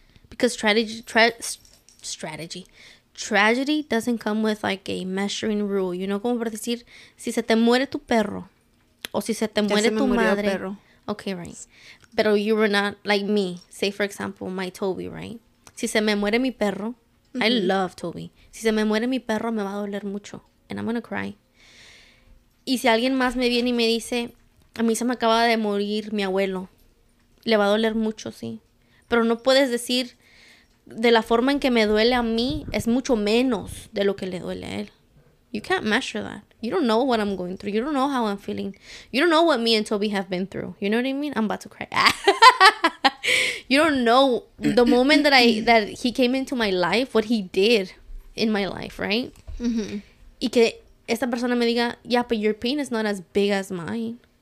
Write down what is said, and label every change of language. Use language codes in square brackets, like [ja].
[en] Because tragedy doesn't come with, like, a measuring rule. [es] You know, como para decir, si se te muere tu perro, o si se te muere tu madre. Perro. [en] Okay, right. But you were not, like me, say, for example, my Toby, right? [es] Si se me muere mi perro, mm-hmm. [en] I love Toby. [es] Si se me muere mi perro, me va a doler mucho. [en] And I'm going to cry. [es] Y si alguien más me viene y me dice, a mí se me acaba de morir mi abuelo. Le va a doler mucho, sí. Pero no puedes decir, de la forma en que me duele a mí, es mucho menos de lo que le duele a él. [en] You can't measure that. You don't know what I'm going through. You don't know how I'm feeling. You don't know what me and Toby have been through. You know what I mean? I'm about to cry. You don't know the moment that he came into my life, what he did in my life, right? Mm-hmm. [es] Y que esta persona me diga, [en] yeah, but your pain is not as big as mine.